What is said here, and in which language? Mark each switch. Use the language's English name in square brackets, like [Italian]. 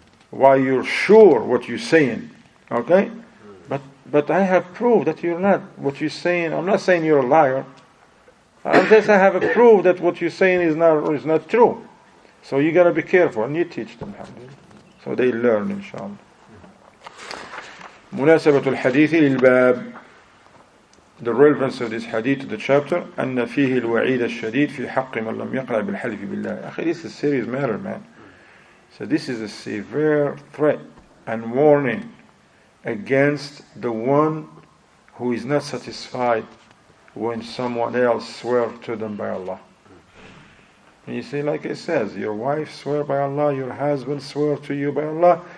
[English] Why you're sure what you're saying. Okay? But I have proof that you're not what you're saying. I'm not saying you're a liar. Unless I have a proof that what you're saying is not true. So you gotta be careful and you teach them how to. So they learn, inshallah. [Arabic] مناسبة الحديث للباب. [English] The relevance of this hadith to the chapter, [Arabic] أن فيه الوعيد الشديد في حق من لم يقرأ بالحلف بالله. [English] أخي, this is a serious matter, man. So this is a severe threat and warning against the one who is not satisfied when someone else swears to them by Allah. And you see, like it says, your wife swears by Allah, your husband swears to you by Allah.